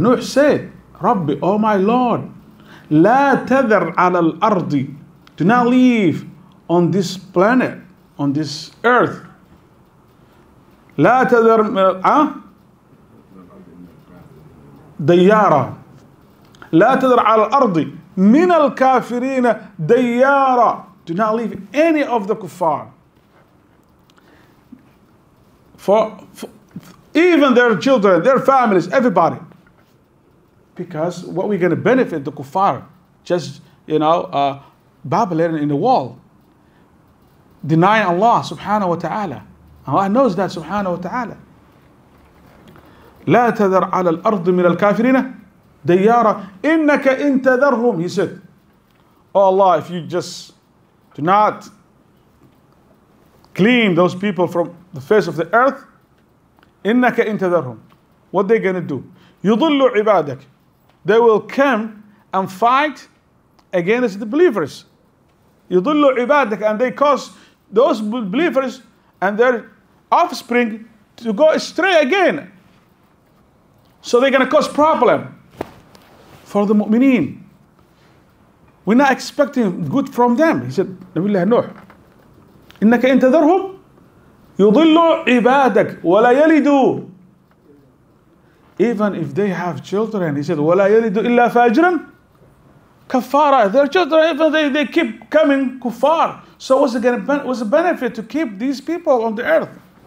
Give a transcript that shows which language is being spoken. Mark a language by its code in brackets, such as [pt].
[ar] نوح [en] said, [ar] ربي, [en] oh my Lord, [ar] لا تذر على الأرض. [en] Do not leave on this planet, on this earth. [ar] لا تذر ديارا لا تذر على الأرض من الكافرين ديارا. [en] Do not leave any of the kuffar. For even their children, their families, everybody. Because what we're going to benefit the kuffar? Just, you know, babbling in the wall. Denying Allah subhanahu wa ta'ala. Allah knows that, subhanahu wa ta'ala. [ar] لا تذر على الأرض من الكافرين ديارا إنك إن تذرهم. [en] He said, oh Allah, if you just do not clean those people from the face of the earth. [ar] إِنَّكَ إِنْ تَذَرْهُمْ. [en] What they gonna do? [ar] يُضُلُّ عِبَادَكَ. [en] They will come and fight against the believers. [ar] يُضُلُّ عِبَادَكَ. [en] And they cause those believers and their offspring to go astray again. So they're gonna cause problem for the mu'mineen. We're not expecting good from them. He said, [ar] Nabiullah Nuh, إِنَّكَ إِنْ تَذَرْهُمْ يُضِلُّ عِبَادَكْ وَلَا يَلِدُوا. [en] Even if they have children, he said, [ar] وَلَا يَلِدُوا إِلَّا فَاجِرًا كَفَّارَ. [en] Their children, even they keep coming kuffar. So what's the benefit to keep these people on the earth?